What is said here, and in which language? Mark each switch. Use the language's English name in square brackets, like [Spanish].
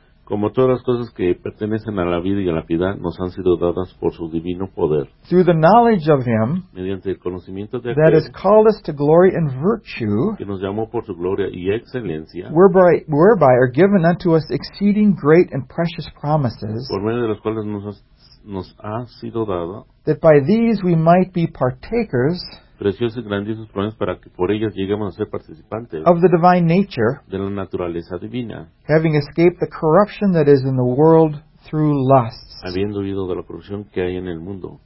[Spanish] Como todas las cosas que pertenecen a la vida y a la piedad, nos han sido dadas por su divino poder. [English] Through the knowledge of him, [Spanish] mediante el conocimiento de aquel, [English] that has called us to glory and virtue, [Spanish] que nos llamó por su gloria y excelencia, [English] whereby are given unto us exceeding great and precious promises, [Spanish] por medio de los cuales nos ha sido dado, [English] that by these we might be partakers, [Spanish] preciosos y grandiosos promesas para que por ellas lleguemos a ser participantes [English] of the divine nature, [Spanish] de la naturaleza divina, [English] having escaped the corruption that is in the world through lusts, [Spanish] habiendo huido de la corrupción que hay en el mundo.